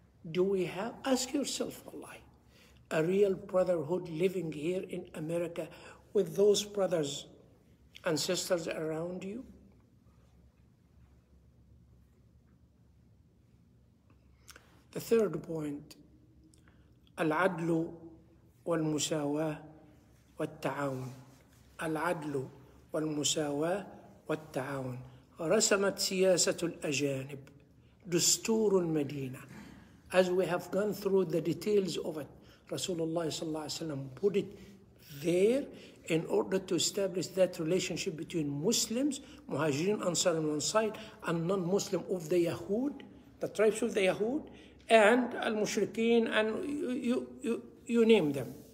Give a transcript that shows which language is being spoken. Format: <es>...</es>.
<en>Do we have, ask yourself, wallahi, a real brotherhood living here in America with those brothers and sisters around you? The third point,</en> <ar>العدل والمساواة والتعاون. العدل والمساواة والتعاون. رسمت سياسة الأجانب دستور المدينة.</ar> <en>As we have gone through the details of it, Rasulullah صلى الله عليه وسلم put it there in order to establish that relationship between Muslims, Muhajirin Ansar on one side, and non-Muslim of the Yahud, the tribes of the Yahud, and Al-Mushrikeen, and you name them.</en>